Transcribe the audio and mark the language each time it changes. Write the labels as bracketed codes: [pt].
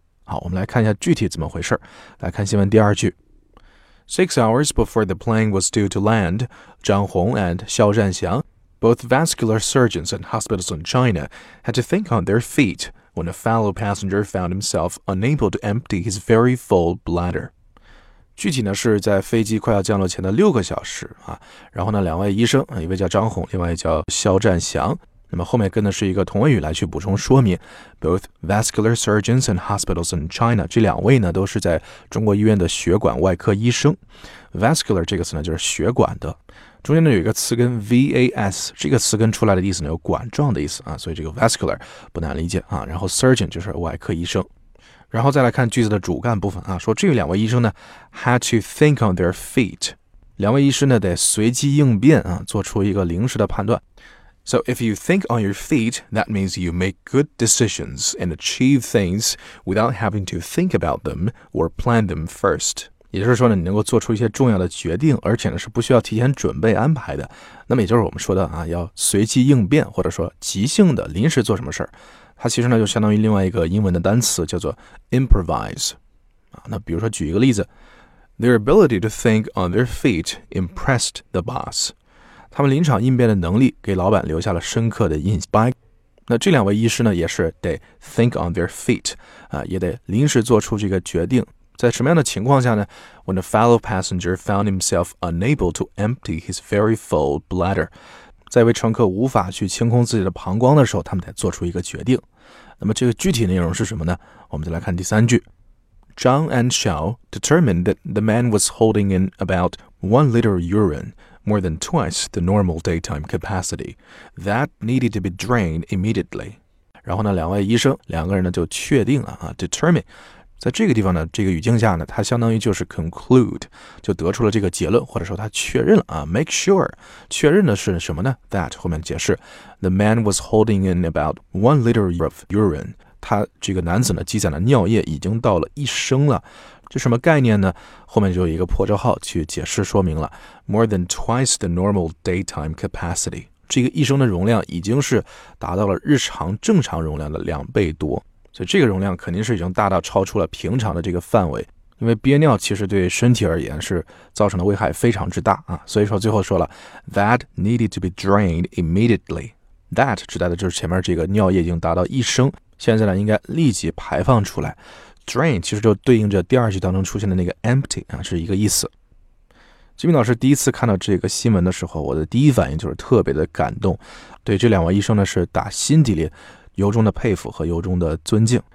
[zh] 好，我们来看一下具体怎么回事。来看新闻第二句。 [en] 6 hours before the plane was due to land, Zhang Hong and Xiao Zhanxiang, both vascular surgeons and hospitals in China, had to think on their feet when a fellow passenger found himself unable to empty his very full bladder. [zh] 具体呢是在飞机快要降落前的6个小时啊，然后呢两位医生，一位叫张红，另外一位叫肖占祥。那么后面跟的是一个同位语来去补充说明 Both vascular surgeons and hospitals in China，这两位呢都是在中国医院的血管外科医生。 Vascular 这个词呢就是血管的，中间呢有一个词根 VAS， 这个词根出来的意思呢有管状的意思啊，所以这个 vascular 不难理解啊。然后 surgeon 就是外科医生。然后再来看句子的主干部分啊，说这两位医生呢 had to think on their feet，两位医师呢得随机应变啊，做出一个临时的判断。 [en] So if you think on your feet, that means you make good decisions and achieve things without having to think about them or plan them first. [zh] 也就是说呢，你能够做出一些重要的决定，而且呢是不需要提前准备安排的。那么也就是我们说的啊，要随机应变，或者说即兴的临时做什么事儿。它其实呢就相当于另外一个英文的单词叫做 improvise。 [en] 那比如说举一个例子，Their ability to think on their feet impressed the boss. [zh] 他们临场应变的能力给老板留下了深刻的印象。那这两位医师呢也是得 think on their feet，也得临时做出这个决定。在什么样的情况下呢？ [en] When a fellow passenger found himself unable to empty his very full bladder，在一位乘客无法去清空自己的膀胱的时候，他们得做出一个决定。 [zh] 那么这个具体内容是什么呢？我们再来看第三句。 [en] Zhang and Xiao determined that the man was holding in about 1 liter urine,more than twice the normal daytime capacity. That needed to be drained immediately. [zh] 然后呢两位医生两个人呢就确定了啊 determine。在这个地方呢这个语境下呢它相当于就是 conclude, 就得出了这个结论，或者说他确认了啊 make sure, 确认的是什么呢 that 后面解释。 [en] The man was holding in about 1 liter of urine. [zh] 他这个男子呢积攒了尿液已经到了1升了。这什么概念呢？后面就有一个破折号去解释说明了。 [en] More than twice the normal daytime capacity， [zh] 这个一升的容量已经是达到了日常正常容量的2倍多，所以这个容量肯定是已经大大超出了平常的这个范围。因为憋尿其实对身体而言是造成的危害非常之大啊，所以说最后说了 [en] that needed to be drained immediately。 [zh] That 指代的就是前面这个尿液已经达到1升，现在呢应该立即排放出来。 Drain 其实就对应着第二句当中出现的那个 empty 啊，是一个意思。金明老师第一次看到这个新闻的时候，我的第一反应就是特别的感动，对这两位医生呢是打心底里由衷的佩服和由衷的尊敬。